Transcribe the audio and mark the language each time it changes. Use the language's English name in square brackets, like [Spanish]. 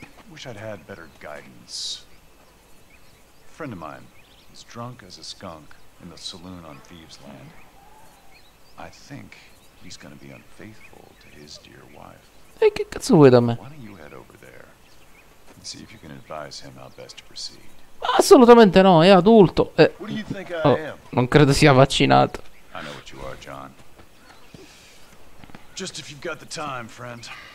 [English] Wish I'd had better guidance. A friend of mine is drunk as a skunk in the saloon on Thieves Land. I think he's gonna be unfaithful to his dear wife. [Italian] E che cazzo vuoi da me? [English] Why don't you head over there and see if you can advise him how best to proceed? [Italian] Ma assolutamente no, è adulto. [English] What do you think I am? [Italian] Non credo sia vaccinato. [English] I know what you are, John. Just if you've got the time, friend.